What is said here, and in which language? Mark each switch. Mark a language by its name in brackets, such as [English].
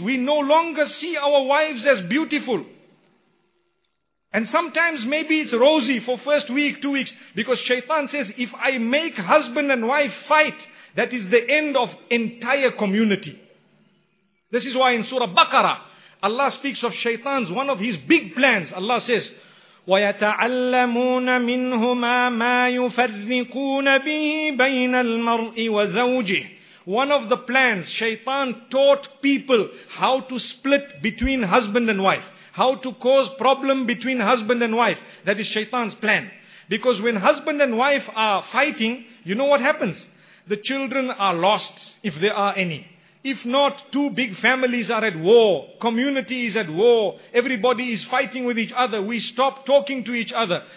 [English] We no longer see our wives as beautiful. And sometimes maybe it's rosy for first week, 2 weeks. Because Shaitan says, if I make husband and wife fight, that is the end of entire community. This is why in Surah Baqarah, Allah speaks of Shaitan's, one of his big plans. [Arabic] Allah says, وَيَتَعَلَّمُونَ مِنْهُمَا مَا يُفَرِّقُونَ بِهِ بَيْنَ الْمَرْءِ وَزَوْجِهِ. [English] One of the plans, Shaitan taught people how to split between husband and wife. How to cause problem between husband and wife. That is Shaitan's plan. Because when husband and wife are fighting, you know what happens? The children are lost, if there are any. If not, two big families are at war, community is at war, everybody is fighting with each other, we stop talking to each other.